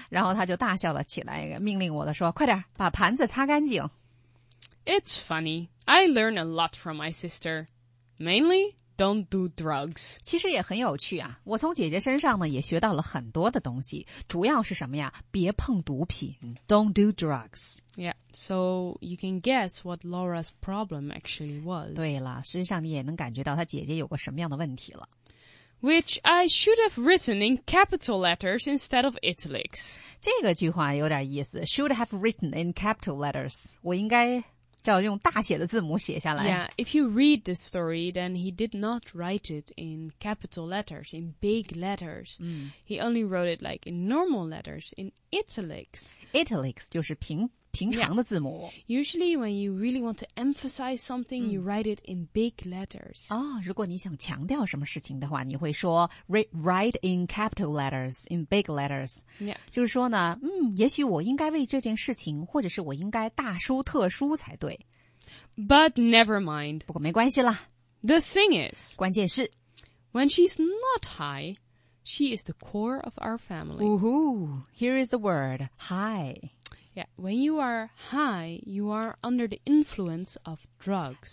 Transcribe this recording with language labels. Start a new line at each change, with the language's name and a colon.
Chinese: 然后他就大笑了起来，命令我的说，快点把盘子擦干净。
English: It's funny, I learn a lot from my sister. Mainly, don't do drugs.
Chinese: 其实也很有趣啊，我从姐姐身上呢也学到了很多的东西，主要是什么呀，别碰毒品。
English: Don't do drugs. Yeah, so you can guess what Laura's problem actually was.
Chinese: 对了，实际上你也能感觉到她姐姐有个什么样的问题了。
English: Which I should have written in capital letters instead of italics.
Chinese: 这个句话有点意思。
English: Should have written in capital letters.
Chinese: 我应该叫用大写的字母写下来。
English: Yeah, if you read the story, then he did not write it in capital letters, in big letters.、 Mm. He only wrote it like in normal letters, in italics.
Chinese: Italics 就是平常的字母。
English: Yeah. Usually when you really want to emphasize something,、mm. you write it in big letters.
Chinese: 啊、oh, 如果你想强调什么事情的话你会说
English: write in capital letters, in big letters. Yeah.
Chinese: 就是说呢嗯也许我应该为这件事情或者是我应该大书特书才对。
English: But never mind.
Chinese: 不过没关系啦。
English: The thing is,
Chinese: 关键是
English: when she's not high, she is the core of our family. Woohoo, here is the word, high. Yeah, when you are high, you are under the influence of drugs.